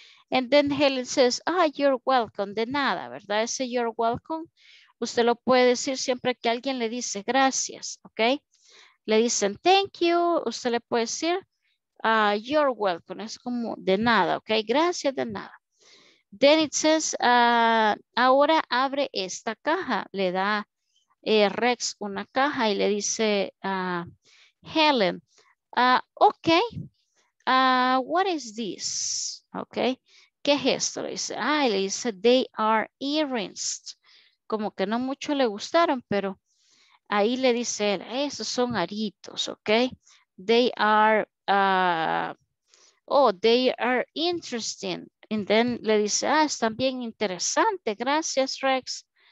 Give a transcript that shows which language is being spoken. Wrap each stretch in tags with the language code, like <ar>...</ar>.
<en>And then Helen says, ah, oh, you're welcome.</en> <es>De nada, ¿verdad? Ese</es> <en>you're welcome,</en> <es>usted lo puede decir siempre que alguien le dice gracias, ¿ok? Le dicen</es> <en>thank you,</en> <es>usted le puede decir</es> <en>you're welcome.</en> <es>Es como de nada, ¿ok? Gracias, de nada.</es> <en>Then it says,</en> <es>ahora abre esta caja. Le da Rex una caja y le dice Helen, ok,</es> <en>what is this?</en> <es>¿Ok? ¿Qué es esto? Le dice, ah, y le dice,</es> <en>they are earrings.</en> <es>Como que no mucho le gustaron, pero ahí le dice él, esos son aritos, ¿ok?</es> <en>They are, oh, they are interesting.</en> <es>Y then le dice, ah, están bien interesantes, gracias, Rex.</es>